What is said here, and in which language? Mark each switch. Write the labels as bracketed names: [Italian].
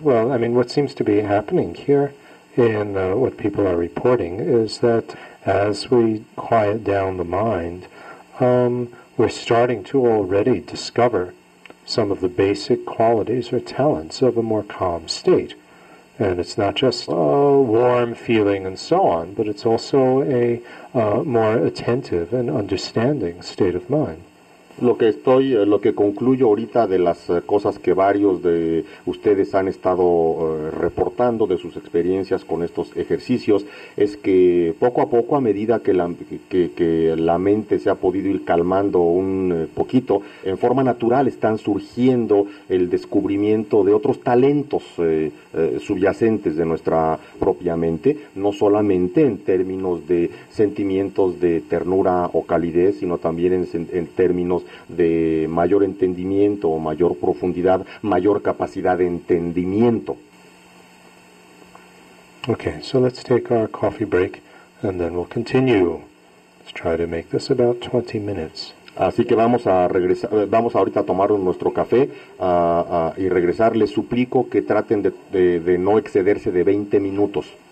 [English] Well, I mean, what seems to be happening here in what people are reporting is that as we quiet down the mind, we're starting to already discover some of the basic qualities or talents of a more calm state. And it's not just a warm feeling and so on, but it's also a more attentive and understanding state of mind. [Spanish] Lo que concluyo ahorita de las cosas que varios de ustedes han estado reportando de sus experiencias con estos ejercicios es que poco a poco, a medida que la mente se ha podido ir calmando un poquito, en forma natural están surgiendo el descubrimiento de otros talentos subyacentes de nuestra propia mente, no solamente en términos de sentimientos de ternura o calidez, sino también en términos de mayor entendimiento, mayor profundidad, mayor capacidad de entendimiento. [English] Okay, so let's take our coffee break and then we'll continue. Let's try to make this about 20 minutes. [Spanish] Así que vamos a regresar, vamos ahorita a tomar nuestro café y regresar. Les suplico que traten de no excederse de 20 minutos.